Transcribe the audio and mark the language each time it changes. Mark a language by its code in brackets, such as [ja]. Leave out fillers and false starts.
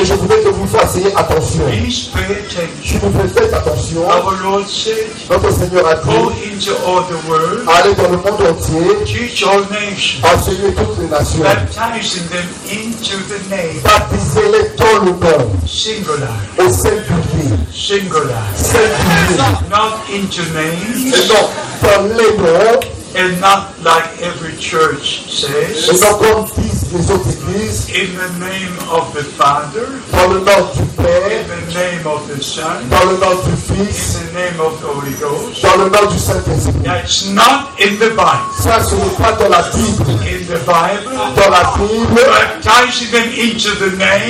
[fr] Et je voudrais que vous fassiez attention. [en] Please pay attention. [fr] Si vous faites, faites attention. [en] Our Lord said, [fr] notre Seigneur a dit, [en] go into all the world. [fr] Allez dans le monde entier. [en] Teach all nations. [fr] Enseignez toutes les nations. [en] Baptizing them into the name. [fr] Baptisez-les dans le nom. [en] Singular. [fr] Au singulier. [en] Singular. [fr] Singulier. [en] Not into names. [fr] Et non, dans les noms. [en] And not like every church says. [fr] Et non, comme disent les autres églises. [en] In the name of the Father. [fr] Dans le nom du Père. [en] In the name of the Son. [fr] Dans le nom du Fils. [en] In the name of the Holy Ghost. [fr] Dans le nom du Saint-Esprit. [en] That's not in the Bible. [fr] Ça, ce n'est pas dans la Bible. [en] In the Bible. [fr] Dans la Bible. [en] Baptizing them into the name.